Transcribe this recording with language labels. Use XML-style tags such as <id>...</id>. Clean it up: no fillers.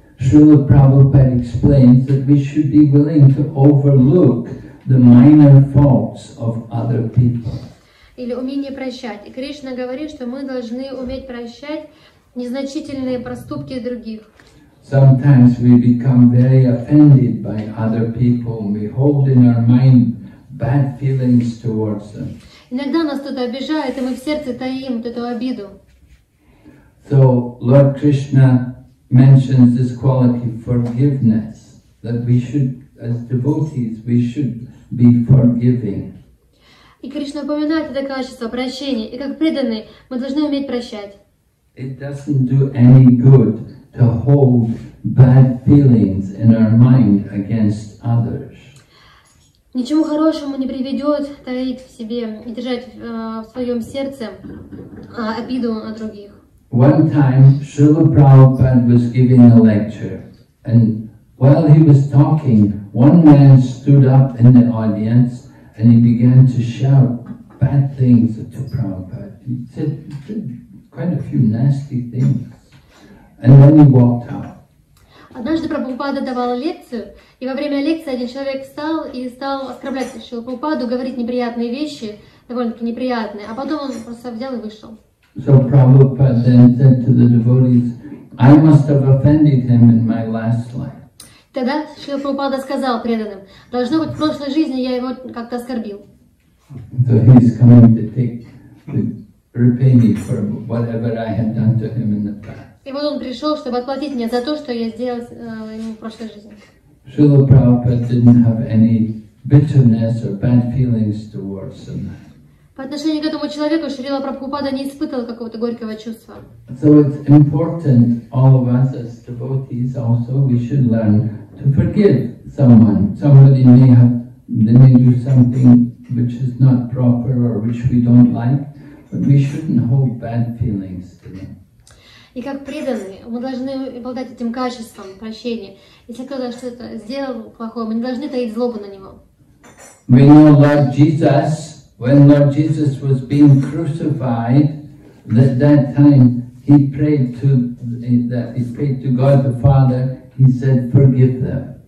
<en>Шрила Прабхупада explains that we should be willing to overlook the minor faults of other people.</en> <ru>Или умение прощать. И Кришна говорит, что мы должны уметь прощать незначительные проступки других.</ru> <en>Sometimes we become very offended by other people. We hold in our mind bad feelings towards them.</en> <ru>Иногда нас кто-то обижает, и мы в сердце таим вот эту обиду.</ru> <en>So Lord Krishna mentions this quality forgiveness, that we should, as devotees, we should be forgiving.</en> <ru>И Кришна упоминает это качество прощения, и как преданные мы должны уметь прощать.</ru> <en>It doesn't do any good to hold bad feelings in our mind against others.</en> <ru>Ничему хорошему не приведет таить в себе и держать в своем сердце обиду на других.</ru> <en>One time Srila Prabhupada was giving a lecture, and while he was talking, one man stood up in the audience. And he began to shout bad things to Prabhupada. He said quite a few nasty things. And then he walked out.</en> <ru>Однажды Прабхупада давал лекцию, и во время лекции один человек встал и стал оскорблять Шрилу Прабхупаду, говорить неприятные вещи, довольно-таки неприятные, а потом он просто взял и вышел.</ru> <en>So Prabhupada then said to the devotees, "I must have offended him in my last life."</en> <ru>Тогда Шрила Прабхупада сказал преданным: должно быть, в прошлой жизни я его как-то оскорбил.</ru> <en>So he's coming to take to repay me for whatever I had done to him in the past.</en> <ru>И вот он пришел, чтобы отплатить мне за то, что я сделал ему в прошлой жизни.</ru> <en>Шрила Прабхупада didn't have any bitterness or bad feelings towards him.</en> <ru>По отношению к этому человеку Шрила Прабхупада не испытывал какого-то горького чувства.</ru> <en>So it's important, all of us as devotees also, we should learn to forgive someone. Somebody may do something which is not proper or which we don't like, but we shouldn't hold bad feelings to them.</en> <ru>И как преданные, мы должны обладать этим качеством прощения. Если кто-то что-то сделал плохое, мы не должны таить злобу на него.</ru> <en>We know Lord Jesus. When Lord Jesus was being crucified, at that time he prayed to God the Father. He said, "Forgive them;</en>